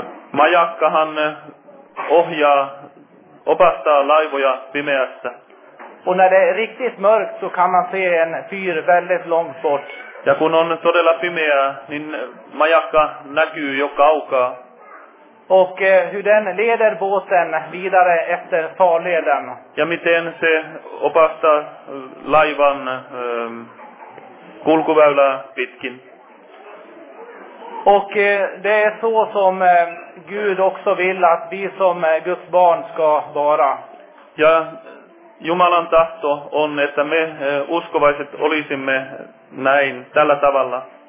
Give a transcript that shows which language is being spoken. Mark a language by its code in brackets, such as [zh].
[fi] Majakkahan ohjaa, opastaa laivoja pimeässä. [sv] Och när det är riktigt mörkt så kan man se en fyr väldigt långt bort. [fi] Ja kun on todella pimeää, niin majakka näkyy jo kaukaa. [sv] Och hur den leder båten vidare efter farleden. [fi] Ja miten se opastaa laivan kulkuväylää pitkin. [sv] Och det är så som Gud också vill att vi som Guds barn ska vara. [fi] Ja Jumalan tahto on, että me uskovaiset olisimme näin, tällä tavalla.